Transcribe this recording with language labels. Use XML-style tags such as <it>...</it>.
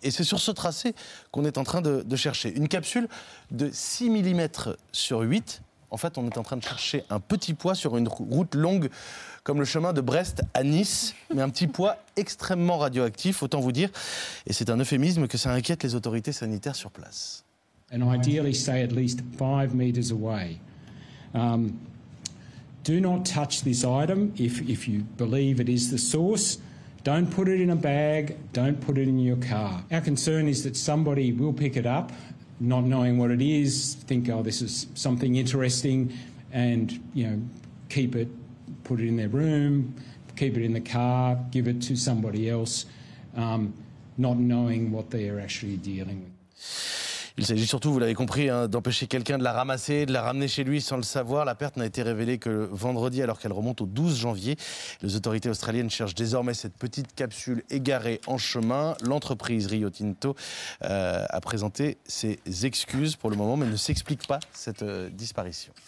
<fr>Et c'est sur ce tracé qu'on est en train de chercher. Une capsule de 6 mm sur 8. En fait, on est en train de chercher un petit poids sur une route longue comme le chemin de Brest à Nice, mais un petit poids extrêmement radioactif, autant vous dire. Et c'est un euphémisme que ça inquiète les autorités sanitaires sur place.</fr> <en>And ideally stay at least 5 meters away. Do not touch this item if you believe it is the source. Don't put it in a bag, don't put it in your car. Our concern is that somebody will pick it up, not knowing what it is, think, oh, this is something interesting, and, you know, keep it, put it in their room, keep it in the car, give it to somebody else, not knowing what they are actually dealing with.</en> <fr>Il s'agit surtout, vous l'avez compris, hein, d'empêcher quelqu'un de la ramasser, de la ramener chez lui sans le savoir. La perte n'a été révélée que vendredi, alors qu'elle remonte au 12 janvier. Les autorités australiennes cherchent désormais cette petite capsule égarée en chemin. L'entreprise Rio Tinto a présenté ses excuses pour le moment, mais ne s'explique pas cette disparition.</fr>